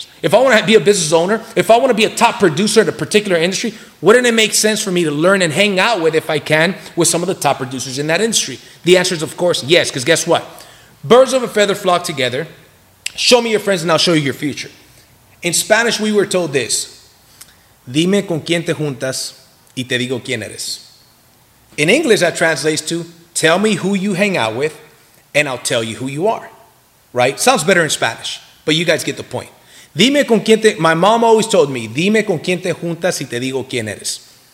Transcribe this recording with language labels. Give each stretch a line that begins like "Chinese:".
English: If I want to be a business owner, if I want to be a top producer in a particular industry, wouldn't it make sense for me to learn and hang out with, if I can, with some of the top producers in that industry? The answer is, of course, yes, because guess what? Birds of a feather flock together. Show me your friends and I'll show you your future. In Spanish, we were told this.
Spanish: Dime con quién te juntas y te digo quién eres.
English: In English, that translates to, tell me who you hang out with and I'll tell you who you are. Right? Sounds better in Spanish, but you guys get the point.
Spanish: Dime con quién te,
English: my mom always told me,
Spanish: dime con quién te juntas y te digo quién eres.